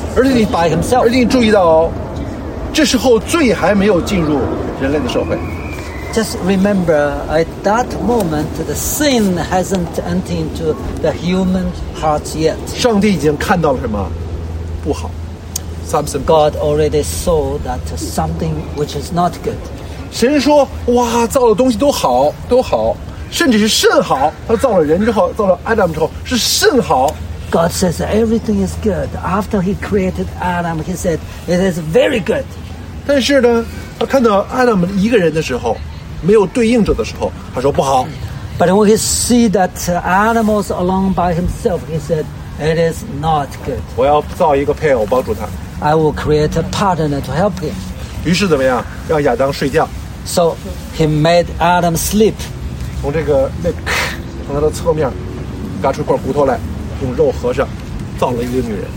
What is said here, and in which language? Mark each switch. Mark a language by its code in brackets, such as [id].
[zh] 而且你 [en] by himself， [zh] 而且你注意到哦，这时候罪还没有进入人类的社会。 [en] Just remember, at that moment, the sin hasn't entered into the human heart yet. [zh] 上帝已经看到了什么？不好。 [en] Something. God already saw that something which is not good. [zh] 神说：“哇，造的东西都好，都好，甚至是甚好。他造了人之后，造了 Adam 之后，是甚好。” [en] God says everything is good. After He created Adam, He said it is very good. [zh] 但是呢，他看到 Adam 一个人的时候。没有对应者的时候，他说不好。 [en] But when he see that animals alone by himself, he said, "It is not good." [zh] 我要造一个配偶帮助他。 [en] I will create a partner to help him. [zh] 于是怎么样？让亚当睡觉。 [en] So he made Adam sleep. [zh] 从这个那从他的侧面，拿出一块骨头来，用肉合上，造了一个女人。